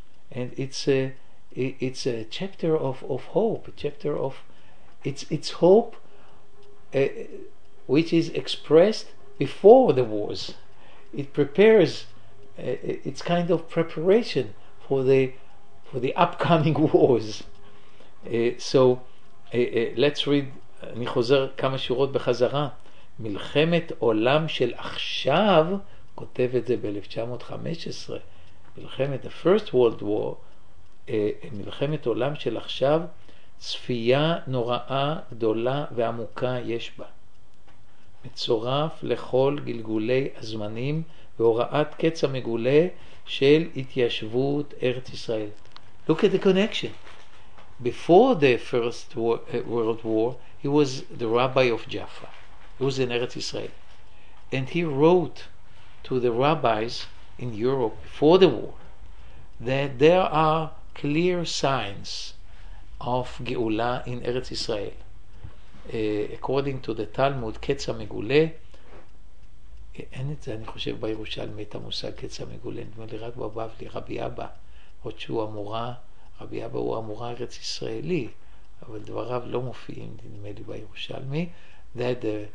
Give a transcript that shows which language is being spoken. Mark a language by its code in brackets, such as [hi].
[en] And it's a chapter of hope, a chapter of it's hope which is expressed before the wars. It prepares, it's kind of preparation for the upcoming wars. So let's read, [he] אני חוזר כמה שורות בחזרה. מלחמת עולם של עכשיו, כותב את זה ב-1915, מלחמת, [en] the first world war, [he] מלחמת עולם של עכשיו, צפייה נוראה גדולה ועמוקה יש בה. מצורף לכל גלגולי הזמנים, והוראת קץ המגולה של התיישבות ארץ ישראל. [en] Look at the connection. Before the first world war, he was the rabbi of Jaffa. He was in ארץ ישראל. And he wrote to the rabbis in Europe before the war that there are clear signs of Geula in ארץ ישראל. According to the Talmud, [he] קץ המגולה, אין את זה, אני חושב, בירושלמי את המושג קץ המגולה, נדמה לי רק בבבלי, רבי אבא, עוד שהוא אמורה, רבי אבא הוא אמורה ארץ ישראלי, אבל דבריו לא מופיעים, נדמה לי, בירושלמי, that